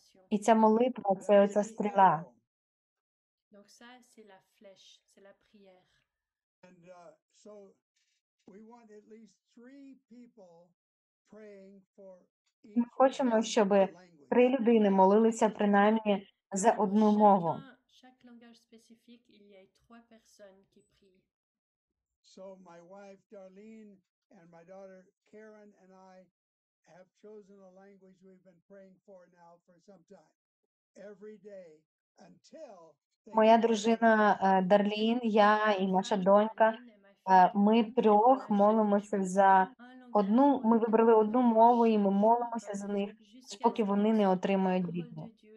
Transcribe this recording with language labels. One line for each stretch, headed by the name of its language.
Ukrainian: І ця молитва – це оця стріла.
French: Donc ça c'est la flèche, c'est la prière.
English: And so we want at least three people praying for each.
Ukrainian: Ми хочемо, щоб три людини молилися принаймні за одну мову.
French: Chaque langage spécifique, il y a trois personnes qui prient.
English: So my wife Darlene and my daughter Karen and I have chosen a language we've been praying for now for some time. Every day until
Ukrainian: моя дружина Дарлін, я і наша донька, ми трьох молимося за одну, ми вибрали одну мову, і ми молимося за них, поки вони не отримають дітей.